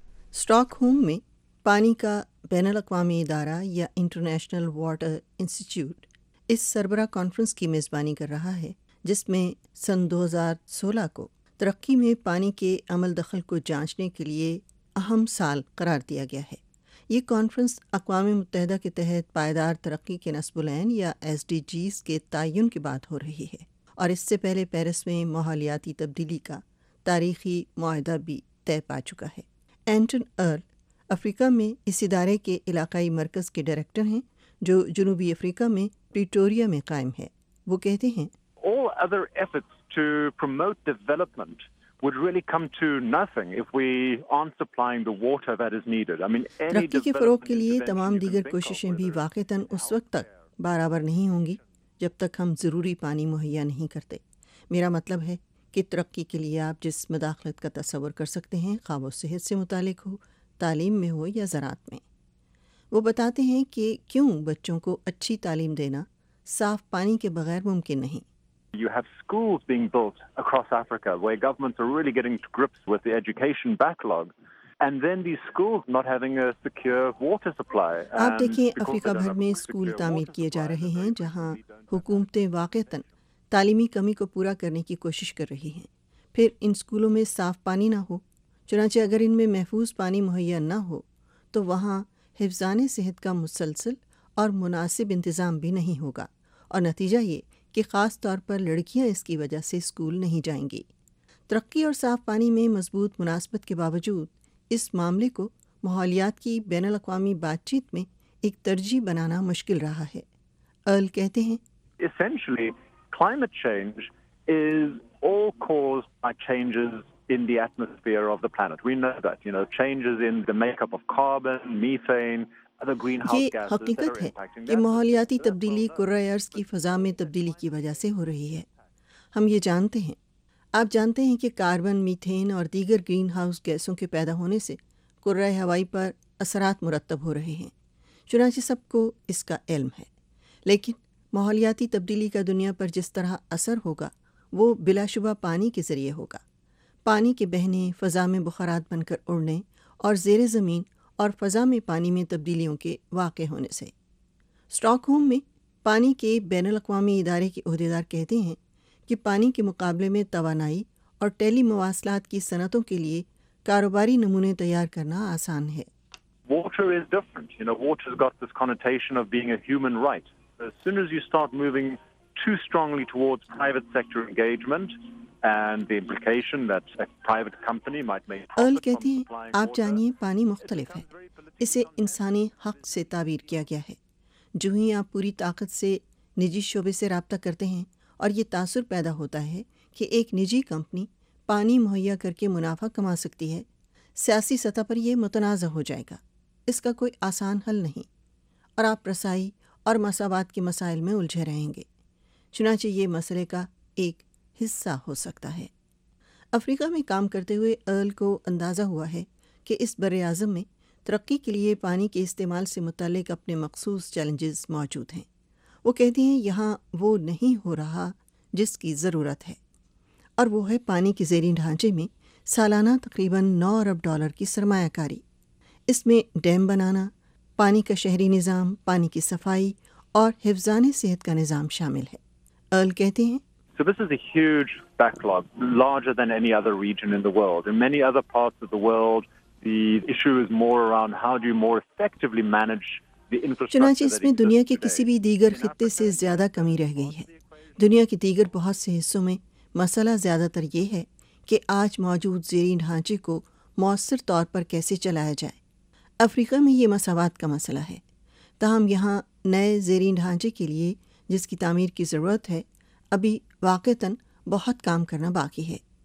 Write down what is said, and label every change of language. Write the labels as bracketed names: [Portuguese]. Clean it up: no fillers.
[Urdu] Stock home میں پانی کا بین الاقوامی ادارہ یا انٹرنیشنل واٹر انسٹیٹیوٹ اس سربراہ کانفرنس کی میزبانی کر رہا ہے، جس میں سن 2016 کو ترقی میں پانی کے عمل دخل کو جانچنے کے لیے اہم سال قرار دیا گیا ہے۔ یہ کانفرنس اقوام متحدہ کے تحت پائیدار ترقی کے نصب العین یا ایس ڈی جیز کے تعین کے بعد ہو رہی ہے، اور اس سے پہلے پیرس میں ماحولیاتی تبدیلی کا تاریخی معاہدہ بھی طے پا چکا ہے۔ اینٹن ارل افریقہ میں اس ادارے کے علاقائی مرکز کے ڈائریکٹر ہیں، جو جنوبی افریقہ میں پریٹوریا میں قائم ہے۔ وہ کہتے ہیں، [English] All other efforts to promote development would really come to nothing if we aren't supplying the water that is needed. I mean, [Urdu] ترقی کے فروغ کے لیے تمام دیگر کوششیں بھی واقعتاً اس وقت تک برابر نہیں ہوں گی جب تک ہم ضروری پانی مہیا نہیں کرتے۔ میرا مطلب ہے کہ ترقی کے لیے آپ جس مداخلت کا تصور کر سکتے ہیں، خواب و صحت سے متعلق ہو، تعلیم میں ہو یا زراعت میں۔ وہ بتاتے ہیں کہ کیوں بچوں کو اچھی تعلیم دینا صاف پانی کے بغیر ممکن نہیں۔ [English] You have schools being built across Africa where governments are really getting to grips with the education backlog and then these schools not having a secure water supply. [Urdu] آپ دیکھیں، افریقہ بھر میں اسکول تعمیر کیے جا رہے ہیں جہاں حکومتیں واقعتاً تعلیمی کمی کو پورا کرنے کی کوشش کر رہی ہیں، پھر ان اسکولوں میں صاف پانی نہ ہو چنانچہ اگر ان میں محفوظ پانی مہیا نہ ہو تو وہاں حفظان صحت کا مسلسل اور مناسب انتظام بھی نہیں ہوگا، اور نتیجہ یہ کہ خاص طور پر لڑکیاں اس کی وجہ سے اسکول نہیں جائیں گی۔ ترقی اور صاف پانی میں مضبوط مناسبت کے باوجود اس معاملے کو ماحولیات کی بین الاقوامی بات چیت میں ایک ترجیح بنانا مشکل رہا ہے۔ ارل کہتے ہیں، [English] Essentially, climate change is all caused by changes in the atmosphere of the planet. We know that, you know, changes in the makeup of carbon, methane, the greenhouse gases. [Urdu] یہ حقیقت ہے کہ ماحولیاتی تبدیلی کرہ ارض کی فضا میں تبدیلی کی وجہ سے ہو رہی ہے، ہم یہ جانتے ہیں۔ آپ جانتے ہیں کہ کاربن، میتھین اور دیگر گرین ہاؤس گیسوں کے پیدا ہونے سے کرہ ہوائی پر اثرات مرتب ہو رہے ہیں، چنانچہ سب کو اس کا علم ہے، لیکن ماحولیاتی تبدیلی کا دنیا پر جس طرح اثر ہوگا وہ بلا شبہ پانی کے ذریعے ہوگا۔ پانی کے بہنے، فضا میں بخارات بن کر اڑنے اور زیر زمین اور فضا میں پانی میں تبدیلیوں کے واقع ہونے سے۔ اسٹاک ہوم میں پانی کے بین الاقوامی ادارے کے عہدیدار کہتے ہیں کہ پانی کے مقابلے میں توانائی اور ٹیلی مواصلات کی صنعتوں کے لیے کاروباری نمونے تیار کرنا آسان ہے۔ [English] Water is different. You know, water's got this connotation of being a human right. As soon as you start moving too strongly towards private sector engagement and the implication that a private company might make profit from supplying water, [Urdu] آپ جانیے پانی مختلف ہے، اسے انسانی حق سے تعبیر کیا گیا ہے۔ جو ہی آپ پوری طاقت سے نجی شعبے سے رابطہ کرتے ہیں اور یہ تاثر پیدا ہوتا ہے کہ ایک نجی کمپنی پانی مہیا کر کے منافع کما سکتی ہے، سیاسی سطح پر یہ متنازع ہو جائے گا۔ اس کا کوئی آسان حل نہیں، اور آپ رسائی اور مساوات کے مسائل میں الجھے رہیں گے، چنانچہ یہ مسئلے کا ایک حصہ ہو سکتا ہے۔ افریقہ میں کام کرتے ہوئے ارل کو اندازہ ہوا ہے کہ اس براعظم میں ترقی کے لیے پانی کے استعمال سے متعلق اپنے مخصوص چیلنجز موجود ہیں۔ وہ کہتی ہیں، یہاں وہ نہیں ہو رہا جس کی ضرورت ہے، اور وہ ہے پانی کے زیریں ڈھانچے میں سالانہ تقریباً $9 ارب کی سرمایہ کاری۔ اس میں ڈیم بنانا، پانی کا شہری نظام، پانی کی صفائی اور حفظان صحت کا نظام شامل ہے۔ ارل کہتے ہیں، [English] So this is a huge backlog, larger than any other region in the world. In many other parts of the world, the issue is more around how do you more effectively manage the infrastructure. [Urdu] چنانچہ اس میں دنیا کے کسی بھی دیگر خطے سے زیادہ کمی رہ گئی ہے۔ دنیا کے دیگر بہت سے حصوں میں مسئلہ زیادہ تر یہ ہے کہ آج موجود زیریں ڈھانچے کو مؤثر طور پر کیسے چلایا جائے۔ افریقہ میں یہ مساوات کا مسئلہ ہے، تاہم یہاں نئے زیریں ڈھانچے کے لیے جس کی تعمیر کی ضرورت ہے ابھی واقعتاً بہت کام کرنا باقی ہے۔